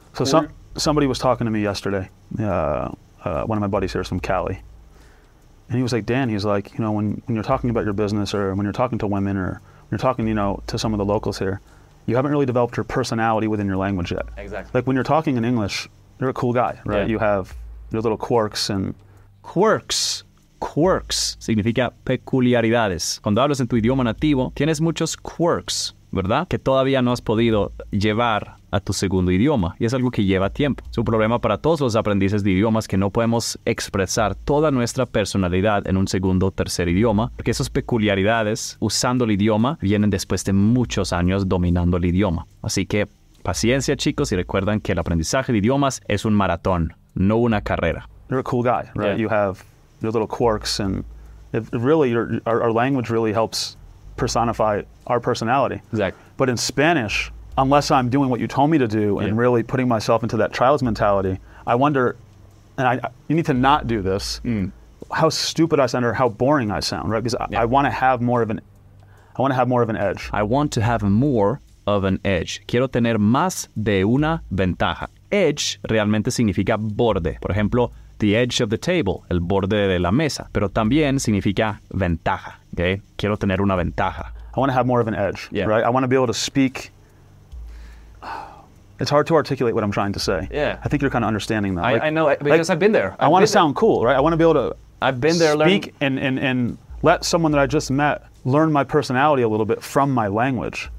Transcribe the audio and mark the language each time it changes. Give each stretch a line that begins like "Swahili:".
English: So somebody was talking to me yesterday. One of my buddies here is from Cali. And he was like, Dan, he's like, you know, when you're talking about your business or when you're talking to women or when you're talking, you know, to some of the locals here, you haven't really developed your personality within your language yet. Exactly. Like when you're talking in English, you're a cool guy, right? Yeah. You have your little quirks and... Quirks.
Spanish: Quirks significa peculiaridades. Cuando hablas en tu idioma nativo, tienes muchos quirks. ¿verdad? Que todavía no has podido llevar a tu segundo idioma. Y es algo que lleva tiempo. Es un problema para todos los aprendices de idiomas que no podemos expresar toda nuestra personalidad en un segundo o tercer idioma, porque esas peculiaridades usando el idioma vienen después de muchos años dominando el idioma. Así que paciencia, chicos, y recuerden que el aprendizaje de idiomas es un maratón, no una carrera.
English: You're a cool guy, right? Yeah. You have your little quirks, and it really, our language really helps personify our personality. Exactly. But in Spanish, unless I'm doing what you told me to do and really putting myself into that child's mentality, I wonder, and you need to not do this, how stupid I sound or how boring I sound, right? Because I want to have more of an, I want to have more of an edge. I want to have more of an edge.
Spanish: Quiero tener más de una ventaja. Edge realmente significa borde. Por ejemplo,
English: the edge of the table,
Spanish: el borde de la mesa. Pero también significa ventaja, okay? Quiero tener una ventaja.
English: I want to have more of an edge, right? I want to be able to speak. It's hard to articulate what I'm trying to say. Yeah. I think you're kind of understanding that. I know, because I've been there. I want to sound cool, right? I want to be able to speak and let someone that I just met learn my personality a little bit from my language.